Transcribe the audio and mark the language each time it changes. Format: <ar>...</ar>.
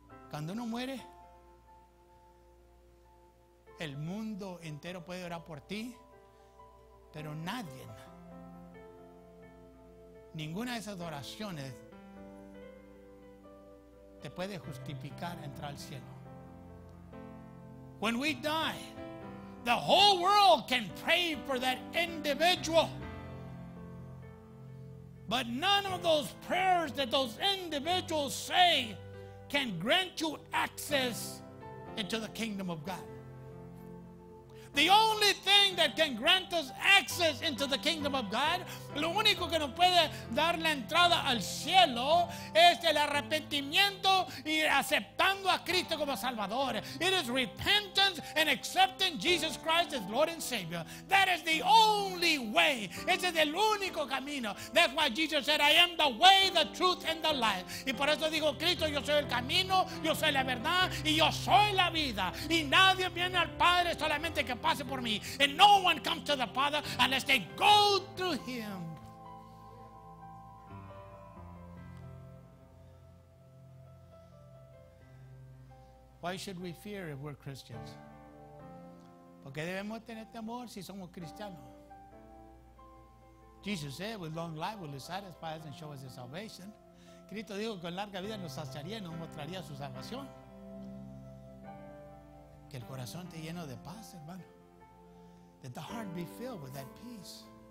<es>Cuando uno muere, el mundo entero puede orar por ti, pero nadie, ninguna de esas oraciones te puede justificar entrar al cielo.</es> <en>When we die, the whole world can pray for that individual, but none of those prayers that those individuals say can grant you access into the kingdom of God. The only thing that can grant us access into the kingdom of God,</en> <es>lo único que nos puede dar la entrada al cielo, es el arrepentimiento y aceptando a Cristo como Salvador.</es> <en>It is repentance and accepting Jesus Christ as Lord and Savior. That is the only way.</en> <es>Ese es el único camino.</es> <en>That's why Jesus said, I am the way, the truth, and the life.</en> <es>Y por eso dijo Cristo, yo soy el camino, yo soy la verdad, y yo soy la vida. Y nadie viene al Padre solamente que pase por mí.</es> <en>And no one comes to the Father unless they go through him. Why should we fear if we're Christians?</en> <es>Porque debemos tener temor si somos cristianos.</es> <en>Jesus said, with long life will he satisfy us and show us his salvation.</en> <es>Cristo dijo que con larga vida nos saciaría y nos mostraría su salvación. Que el corazón esté lleno de paz, hermano.</es> <en>That the heart be filled with that peace.</en>